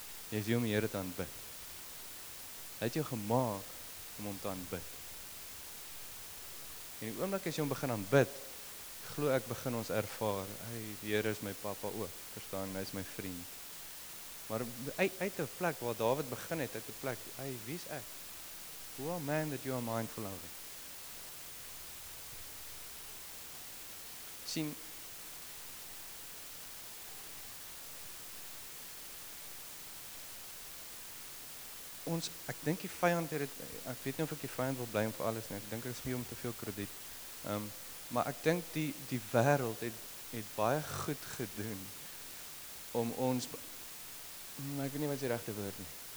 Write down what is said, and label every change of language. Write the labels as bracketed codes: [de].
[af] Jy is hier om die Here te aanbid. Hy het jou gemaak om hom te aanbid. En die oomblik as jy hom begin aanbid, glo ek begin ons ervaar, hy, die Here is my papa ook, verstaan, hy is my vriend. Maar uit die plek waar David begin het, uit die plek, hey, wie is ek? [en] Who are man that you are mindful of? [af] Sien, ons, ek dink die vijand het, ek weet nie of ek die vijand wil bly om vir alles nie, ek dink dit is nie om te veel krediet, maar ek dink die wereld het baie goed gedoen om ons, maar ek weet nie wat die regte woord nie,